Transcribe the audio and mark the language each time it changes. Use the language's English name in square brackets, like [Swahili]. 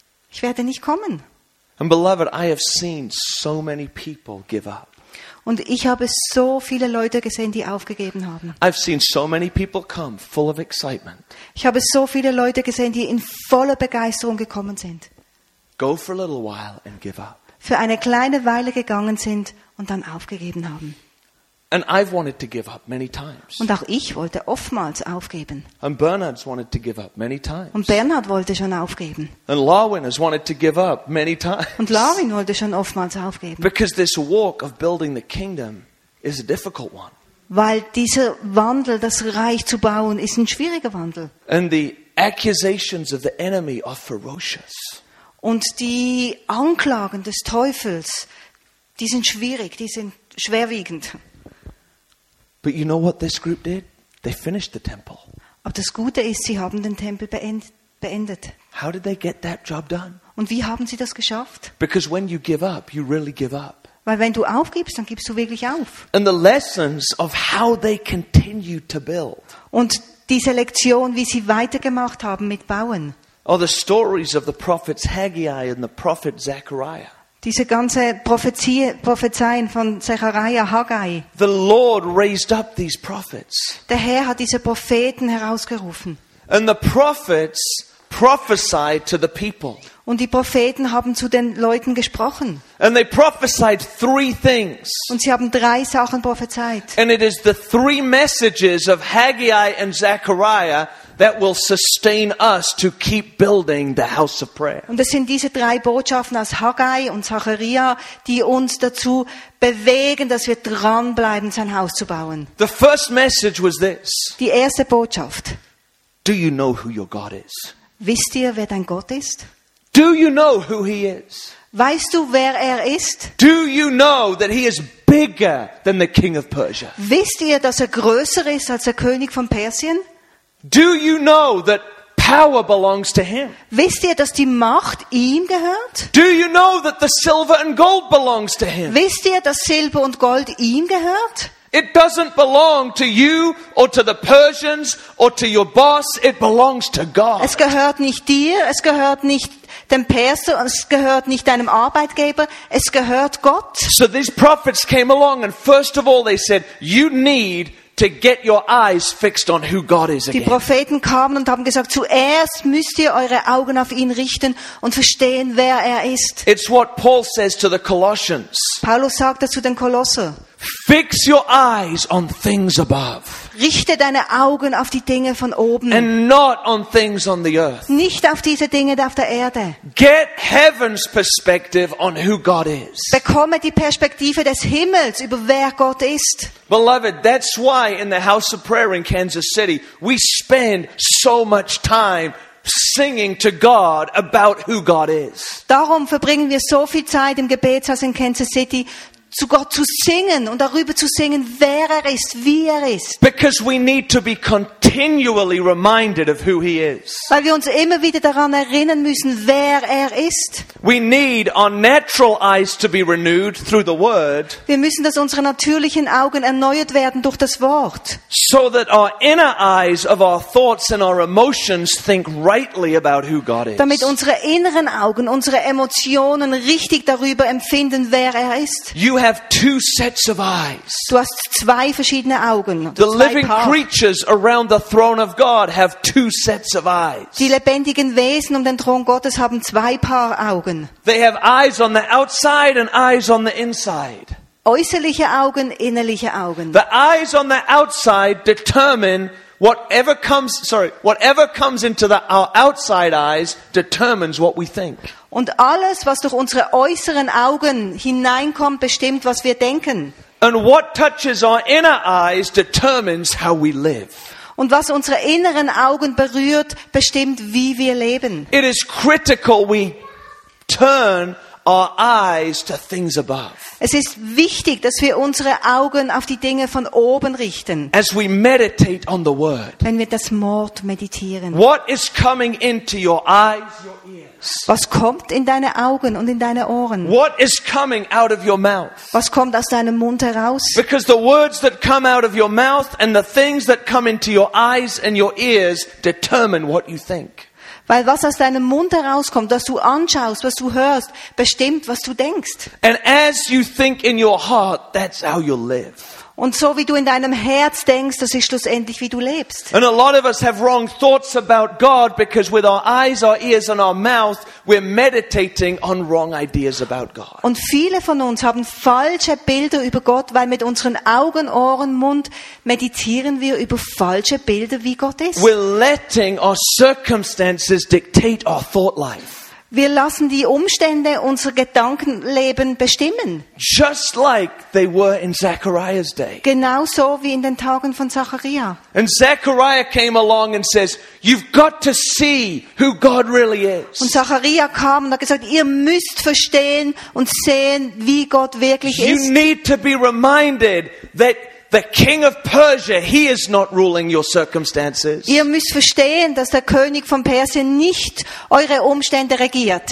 [German] Ich werde nicht kommen. [English] And beloved, I have seen so many people give up. [German] Und ich habe so viele Leute gesehen, die aufgegeben haben. [English] I've seen so many people come full of excitement. [German] Ich habe so viele Leute gesehen, die in voller Begeisterung gekommen sind. [English] Go for a little while and give up. [German] Für eine kleine Weile gegangen sind und dann aufgegeben haben. [English] And I've wanted to give up many times. [German] Und auch ich wollte oftmals aufgeben. [English] And Bernard's wanted to give up many times. [German] Und Bernhard wollte schon aufgeben. [English] And Lawin has wanted to give up many times. [German] Und Lawin wollte schon oftmals aufgeben. [English] Because this walk of building the kingdom is a difficult one. [German] Weil dieser Wandel, das Reich zu bauen, ist ein schwieriger Wandel. [English] And the accusations of the enemy are ferocious. [German] Und die Anklagen des Teufels, die sind schwierig, die sind schwerwiegend. [English] But you know what this group did? They finished the temple. [German] Aber das Gute ist, sie haben den Tempel beendet. [English] How did they get that job done? [German] Und wie haben sie das geschafft? [English] Because when you give up, you really give up. [German] Weil wenn du aufgibst, dann gibst du wirklich auf. [English] And the lessons of how they continued to build. [German] Und diese Lektion, wie sie weitergemacht haben mit bauen. [English] Or the stories of the prophets Haggai and the prophet Zechariah. [German] Diese ganze Prophezeien von Zechariah, Haggai. [English] The Lord raised up these prophets. [German] Der Herr hat diese Propheten herausgerufen. [English] And the prophets prophesied to the people. [German] Und die Propheten haben zu den Leuten gesprochen. [English] And they prophesied three things. [German] Und sie haben drei Sachen prophezeit. [English] And it is the three messages of Haggai and Zechariah that will sustain us to keep building the house of prayer. [German] Und es sind diese drei Botschaften aus Haggai und Zachariah, die uns dazu bewegen, dass wir dran bleiben, sein Haus zu bauen. [English] The first message was this. [German] Die erste Botschaft. [English] Do you know who your God is? [German] Wisst ihr, wer dein Gott ist? [English] Do you know who he is? [German] Weißt du, wer er ist? [English] Do you know that he is bigger than the king of Persia? [German] Wisst ihr, dass er größer ist als der König von Persien? [English] Do you know that power belongs to him? [German] Wisst ihr, dass die Macht ihm gehört? [English] Do you know that the silver and gold belongs to him? [German] Wisst ihr, dass Silber und Gold ihm gehört? [English] It doesn't belong to you or to the Persians or to your boss. It belongs to God. [German] Es gehört nicht dir, es gehört nicht dem Perser, es gehört nicht deinem Arbeitgeber, es gehört Gott. [English] So these prophets came along and first of all they said, you need to get your eyes fixed on who God is again. [German] Die Propheten kamen und haben gesagt, zuerst müsst ihr eure Augen auf ihn richten und verstehen, wer er ist. [English] It's what Paul says to the Colossians. [German] Paulus sagt das zu den Kolosser. [English] Fix your eyes on things above. [German] Richte deine Augen auf die Dinge von oben. [English] And not on things on the earth. [German] Nicht auf diese Dinge auf der Erde. [English] Get heaven's perspective on who God is. [German] Bekomme die Perspektive des Himmels über wer Gott ist. [English] Beloved, that's why in the House of Prayer in Kansas City, we spend so much time singing to God about who God is. [German] Darum verbringen wir so viel Zeit im Gebetshaus in Kansas City, zu Gott zu singen und darüber zu singen, wer er ist, wie er ist. [English] Because we need to be continually reminded of who he is. [German] Weil wir uns immer wieder daran erinnern müssen, wer er ist. [English] We need our natural eyes to be renewed through the word. [German] Wir müssen, dass unsere natürlichen Augen erneuert werden durch das Wort. [English] So that our inner eyes of our thoughts and our emotions think rightly about who God is. [German] Damit unsere inneren Augen, unsere Emotionen richtig darüber empfinden, wer er ist. [English] You have two sets of eyes. [German] Du hast zwei verschiedene Augen. [English] The living creatures around the throne of God have two sets of eyes. [German] Die lebendigen Wesen um den Thron Gottes haben zwei Paar Augen. [English] They have eyes on the outside and eyes on the inside. [German] Äußerliche Augen, innerliche Augen. [English] The eyes on the outside determine whatever comes into our outside eyes determines what we think. [German] Und alles, was durch unsere äußeren Augen hineinkommt, bestimmt, was wir denken. [English] And what touches our inner eyes determines how we live. [German] Und was unsere inneren Augen berührt, bestimmt, wie wir leben. [English] It is critical we turn our eyes to things above. [German] Es ist wichtig, dass wir unsere Augen auf die Dinge von oben richten. [English] As we meditate on the word. [German] Wenn wir das Wort meditieren. [English] What is coming into your eyes, your ears? [German] Was kommt in deine Augen und in deine Ohren? [English] What is coming out of your mouth? [German] Was kommt aus deinem Mund heraus? [English] Because the words that come out of your mouth and the things that come into your eyes and your ears determine what you think. [German] Weil was aus deinem Mund herauskommt, was du anschaust, was du hörst, bestimmt, was du denkst. [English] And as you think in your heart, that's how you'll live. [German] Und so wie du in deinem Herz denkst, das ist schlussendlich wie du lebst. [English] And a lot of us have wrong thoughts about God because with our eyes, our ears and our mouth, we're meditating on wrong ideas about God. [German] Und viele von uns haben falsche Bilder über Gott, weil mit unseren Augen, Ohren, Mund meditieren wir über falsche Bilder, wie Gott ist. [English] We're letting our circumstances dictate our thought life. [German] Wir lassen die Umstände unser Gedankenleben bestimmen. [English] Just like they were in Zechariah's day. [German] Genauso wie in den Tagen von Zachariah. [English] And Zechariah came along and says, you've got to see who God really is. [German] Und Zachariah kam und hat gesagt, ihr müsst verstehen und sehen, wie Gott wirklich ist. [English] You need to be reminded that the king of Persia, he is not ruling your circumstances. [German] Ihr müsst verstehen, dass der König von Persien nicht eure Umstände regiert.